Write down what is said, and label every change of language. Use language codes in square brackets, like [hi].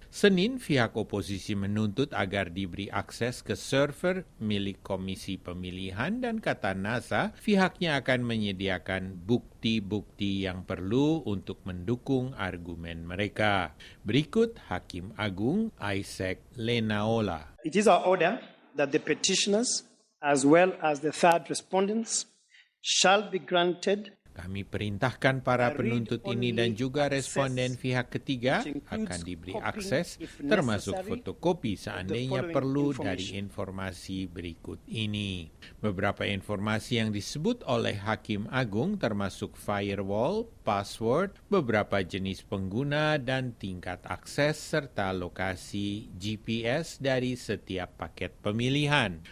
[id] Senin, pihak oposisi menuntut agar diberi akses ke server milik Komisi Pemilihan dan kata NASA, pihaknya akan menyediakan bukti-bukti yang perlu untuk mendukung argumen mereka. Berikut Hakim Agung Isaac Lenaola. [en] It is our order that the petitioners as well as the third respondents shall be granted. [id] Kami perintahkan para penuntut ini dan juga responden pihak ketiga akan diberi akses termasuk fotokopi seandainya perlu dari informasi berikut ini. Beberapa informasi yang disebut oleh Hakim Agung termasuk firewall, password, beberapa jenis pengguna dan tingkat akses serta lokasi GPS dari setiap paket pemilihan.